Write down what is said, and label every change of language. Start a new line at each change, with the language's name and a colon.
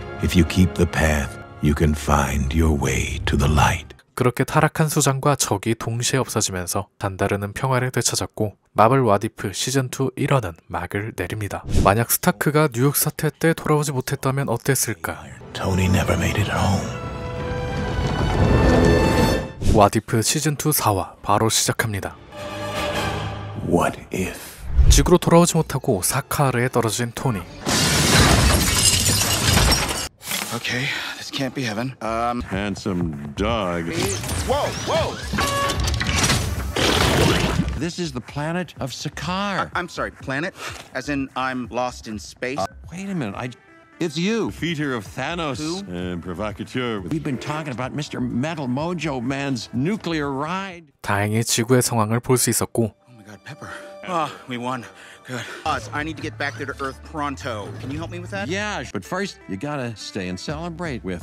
English: If you keep the path, you can find your way to the light.
Korean: 그렇게 타락한 수장과 적이 동시에 없어지면서 단다르는 평화를 되찾았고 마블 왓이프 시즌2 1화는 막을 내립니다. 만약 스타크가 뉴욕 사태 때 돌아오지 못했다면 어땠을까?
English: Tony never made it home.
Korean: 왓이프 시즌2 4화 바로 시작합니다.
English: What if?
Korean: 지구로 돌아오지 못하고 사카르에 떨어진 토니.
English: Okay, this can't be heaven. Handsome dog. Whoa, whoa! This is the planet of Sakaar. I'm sorry, planet? As in, I'm lost in space? Wait a minute, it's you. Defeater of Thanos. Who? And provocateur. We've been talking about Mr. Metal Mojo Man's nuclear ride.
Korean: 다행히 지구의 상황을 볼 수 있었고.
English: Oh my god, Pepper. Oh, we won. Good. Oz, I need to get back there to Earth pronto. Can you help me with that? Yeah, but first, you gotta stay and celebrate with...